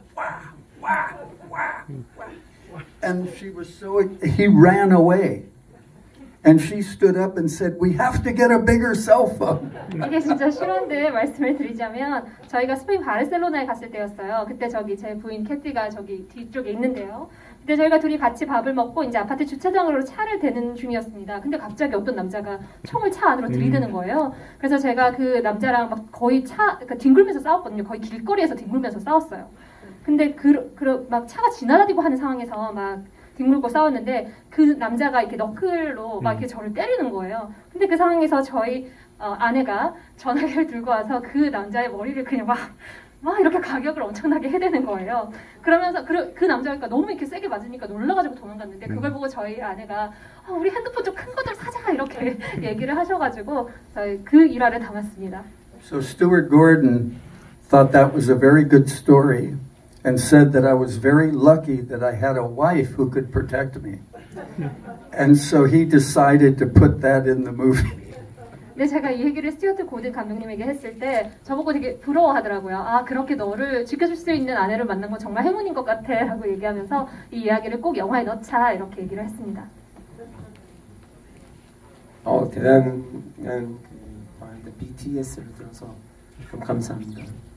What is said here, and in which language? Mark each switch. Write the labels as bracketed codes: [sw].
[en] Wah, wah, wah, wah. And she was so, he ran away. And she stood up and said, we have to get a bigger cell phone. [ko] 이게 진짜 실화인데 말씀을 드리자면 저희가 스페인 바르셀로나에 갔을 때였어요. 그때 저기 제 부인 캐티가 저기 뒤쪽에 있는데요. 그때 저희가 둘이 같이 밥을 먹고 이제 아파트 주차장으로 차를 대는 중이었습니다. 근데 갑자기 어떤 남자가 총을 차 안으로 들이대는 거예요. 그래서 제가 그 남자랑 막 거의 차 그러니까 뒹굴면서 싸웠거든요. 거의 길거리에서 뒹굴면서 싸웠어요. 근데 막 차가 지나다니고 하는 상황에서 막 뒷물고 싸웠는데 그 남자가 이렇게 너클로 막 이렇게 저를 때리는 거예요. 근데 그 상황에서 저희 아내가 전화기를 들고 와서 그 남자의 머리를 그냥 막 이렇게 가격을 엄청나게 해대는 거예요. 그러면서 그 남자가 너무 이렇게 세게 맞으니까 놀라가지고 도망갔는데 그걸 보고 저희 아내가 우리 핸드폰 좀 큰 것들 사자 이렇게 얘기를 하셔가지고 저희 그 일화를 담았습니다. [en] So Stuart Gordon thought that was a very good story and said that I was very lucky that I had a wife who could protect me. And so he decided to put that in the movie. [ko] 네, 제가 이 얘기를 스튜어트 고든 감독님에게 했을 때 저보고 되게 부러워하더라고요. 아, 그렇게 너를 지켜줄 수 있는 아내를 만난 건 정말 행운인 것 같아 라고 얘기하면서 이 이야기를 꼭 영화에 넣자 이렇게 얘기를 했습니다. 대단한 BTS를 들어서 좀 감사합니다.